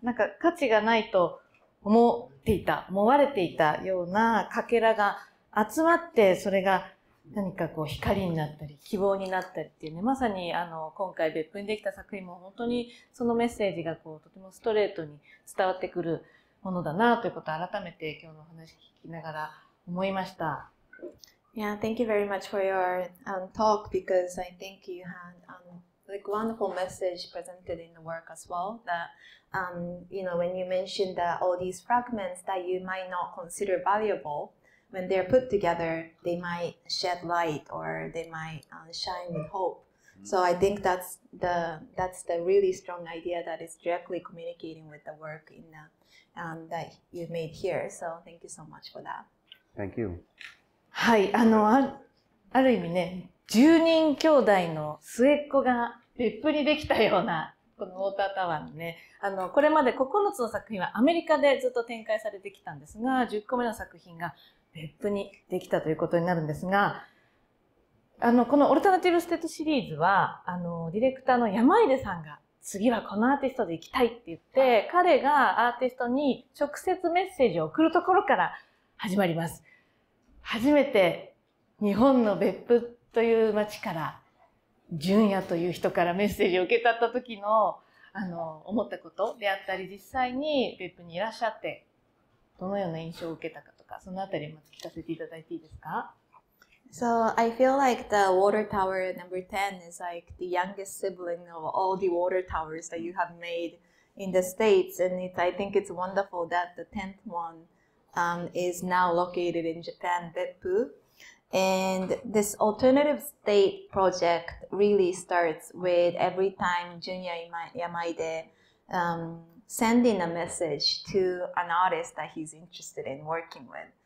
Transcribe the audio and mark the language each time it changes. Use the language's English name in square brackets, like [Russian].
[Japanese] なんか価値がないと思っていた、思われていたようなかけらが集まって、それが何か光になったり希望になったりっていうね、まさに今回別府にできた作品も本当にそのメッセージがとてもストレートに伝わってくるものだなということを改めて今日の話聞きながら思いました。 [English] Yeah, thank you very much for your talk, because I think you had wonderful message presented in the work as well, that when you mentioned that all these fragments that you might not consider valuable, when they're put together, they might shed light or they might shine with hope. So I think that's the really strong idea that is directly communicating with the work in the, that you've made here. So thank you so much for that. Thank you. [Japanese] はい、ある意味ね、10人兄弟の末っ子が別府にできたようなこのウォータータワーのね、これまで9つの作品はアメリカでずっと展開されてきたんですが、10個目の作品が別府にできたということになるんですが、このオルタナティブステッドシリーズはディレクターの山出さんが、次はこのアーティストで行きたいって言って、彼がアーティストに直接メッセージを送るところから始まります。初めて日本の別府という町から純也という人からメッセージを受け取った時の思ったことであったり、実際に別府にいらっしゃってどのような印象を受けたかとか、そのあたりも聞かせていただいていいですか。 [English] So I feel like the water tower number 10 is like the youngest sibling of all the water towers that you have made in the States, and I think it's wonderful that the 10th oneis now located in Japan, Beppu. And this alternative state project really starts with every time Junya Yamaide sending a message to an artist that he's interested in working with.